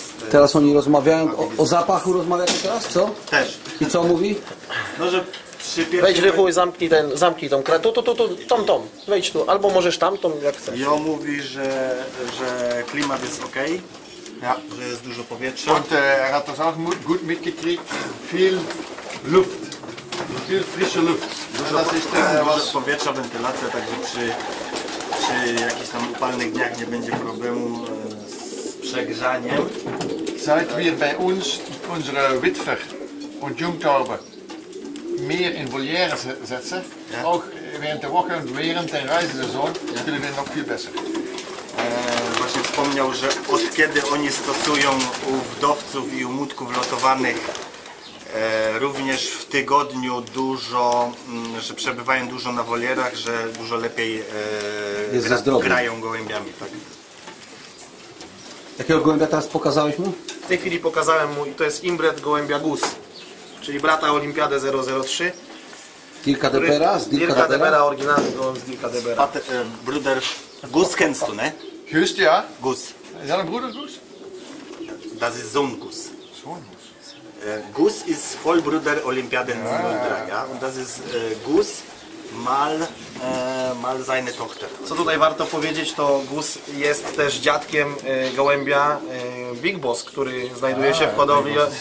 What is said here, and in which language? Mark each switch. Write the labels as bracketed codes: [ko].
[pl] Teraz oni rozmawiają, o zapachu rozmawiają teraz, co? Też. I co mówi? No, że przy pierwszym... Wejdź rychu i zamknij tą kratę. Tu, wejdź tu. Albo możesz tamtą, jak chcesz. Jo mówi, że klimat jest okej. Ja. Że jest dużo powietrza. [de] Und er hat das auch gut mitgekriegt. Viel Luft. Viel frische Luft. [pl] Dużo powietrza, wentylacja, także przy jakichś tam upalnych dniach nie będzie problemu z przegrzaniem. [de] Seit wir bei uns unsere Witwer und Jungtaube mehr in Voliere setzen, auch während der Woche und während der Reisesaison, können wir noch viel besser. [pl] Właśnie wspomniał, że od kiedy oni stosują u wdowców i u mutków lotowanych również w tygodniu dużo, że przebywają dużo na wolierach, że dużo lepiej grają gołębiami. Tak? Jakiego gołębia teraz pokazałeś mu? W tej chwili pokazałem mu, to jest imbred gołębia Gus, czyli brata Olimpiadę 003. Dirka Debera? Dirka Debera, oryginalny gołąb z Dirka Debera. [de] Bruder Gus kennst du, ne? Hörst du ja? Gus. Ist dein Bruder Gus? Das ist Sohn Gus. Sohn Gus. Gus ist Vollbruder Olympiaden 03. Ja? Und das ist Gus mal seine Tochter. [pl] Co tutaj warto powiedzieć, to Gus jest też dziadkiem gołębia Big Boss, który znajduje się w hodowli.